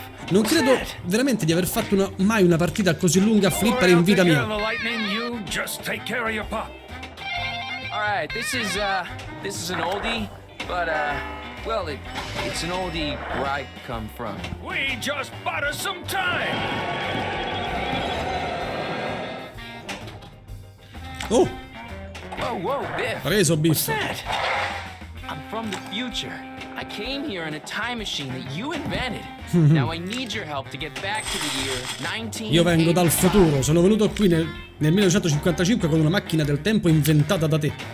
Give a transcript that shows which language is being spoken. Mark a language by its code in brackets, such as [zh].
[it] Non credo veramente di aver fatto mai una partita così lunga a flipper in vita mia. [en] Just take care of your pop. All right, this is an oldie, but well, it's an oldie where I come from. We just bought us some time. Oh! Whoa, Biff. [it] Preso, Biff. [en] What's that? I'm from the future. I came here in a time machine that you invented. Now I need your help to get back to the year 1985. [it] Io vengo dal futuro. Sono venuto qui nel 1955 con una macchina del tempo inventata da te.